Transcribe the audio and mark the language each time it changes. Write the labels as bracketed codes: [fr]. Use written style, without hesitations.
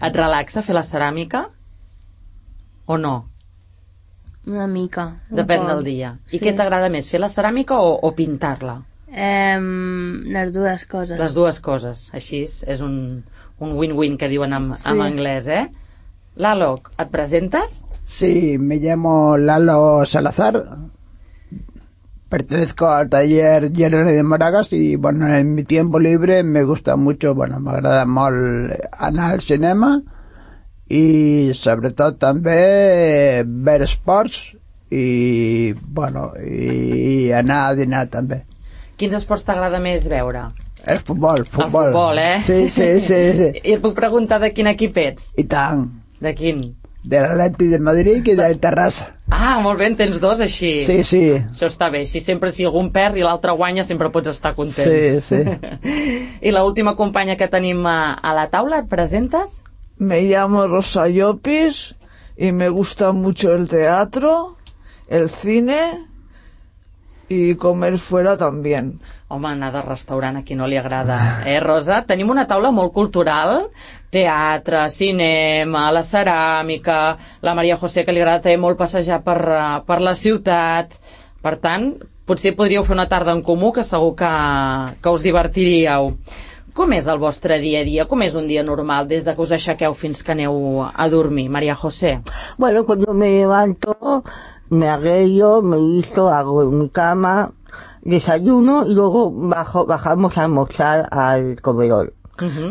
[ca] Et relaxa fer la ceràmica? O no? Una mica. Depèn del dia. Sí. I què t'agrada més, fer la ceràmica o pintar-la? Les dues coses. Les dues coses, així és un win-win que diuen en anglès, eh? Lalo, ¿et presentes? [es] Sí, me llamo Lalo Salazar. Pertenezco al taller Gerard de Moragas y, bueno, en mi tiempo libre me gusta mucho, bueno, me agrada [ca] molt anar al cinema [es] y, sobretot, també ver esports i, bueno, [ca] i anar a dinar també. Quins esports t'agrada més veure? El futbol. El futbol, eh? Sí. I et puc preguntar de quin equip ets? I tant. De quin? De l'Atlètic de Madrid i del Terrassa. Ah, molt bé, tens dos així. Sí. Això està bé. Si sempre si algun perd i l'altre guanya, sempre pots estar content. Sí. I l'última companya que tenim a la taula, et presentes? [es] Me llamo Rosa Llopis y me gusta mucho el teatro, el cine y comer fuera también. [ca] Home, anar de restaurant a qui no li agrada, Rosa? Tenim una taula molt cultural, teatre, cinema, la ceràmica, la Maria José, que li agrada també molt passejar per la ciutat. Per tant, potser podríeu fer una tarda en comú, que segur que us divertiríeu. Com és el vostre dia a dia? Com és un dia normal, des de que us aixequeu fins que aneu a dormir, Maria José? [es] Bueno, cuando me levanto, me arreglo, me visto, hago mi cama... Desayuno y luego bajamos a almorzar al comedor. Uh-huh.